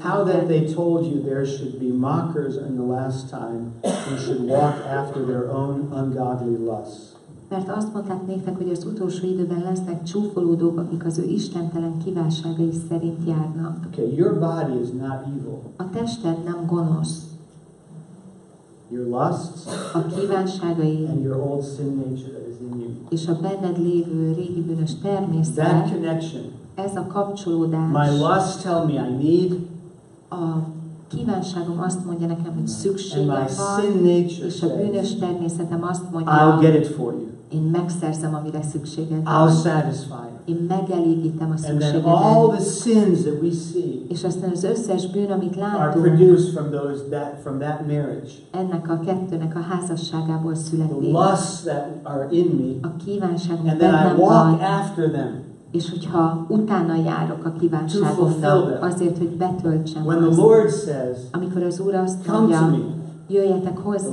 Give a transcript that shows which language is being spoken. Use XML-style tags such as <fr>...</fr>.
<en>How that they told you there should be mockers in the last time who should walk after their own ungodly lusts.</en> <hu>Mert azt mondták nektek, hogy az utolsó időben lesznek csúfolódók, akik az ő istentelen kívánságai szerint járnak.</hu> <en>Okay, your body is not evil.</en> <hu>A tested nem gonosz.</hu> <en>Your lusts,</en> <hu>a kívánságai,</hu> <en>and your old sin nature that is in you.</en> <hu>És a benned lévő régi bűnös természet.</hu> <en>That connection.</en> <hu>Ez a kapcsolódás.</hu> <en>My lusts tell me I need.</en> <hu>A kívánságom azt mondja nekem, hogy szükségem van.</hu> <en>And my sin nature,</en> <hu>és a bűnös természetem azt mondja.</hu> <en>I'll get it for you.</en> <hu>Én megszerzem, amire szükséged van.</hu> <en>I'll satisfy.</en> <hu>Én megelégítem a szükségedet.</hu> <en>And then all the sins that we see,</en> <hu>és aztán az összes bűn, amit látunk,</hu> <en>are produced from those that from that marriage.</en> <hu>Ennek a kettőnek a házasságából születik.</hu> <en>The lusts that are in me.</en> <hu>A kívánságom bennem van.</hu> <en>And then I walk after them.</en> <hu>És hogyha utána járok a kívánságomnak, azért, hogy betöltsem azt.</hu> <en>Says,</en> <hu>amikor az Úr azt mondja, jöjjetek hozzám,</hu>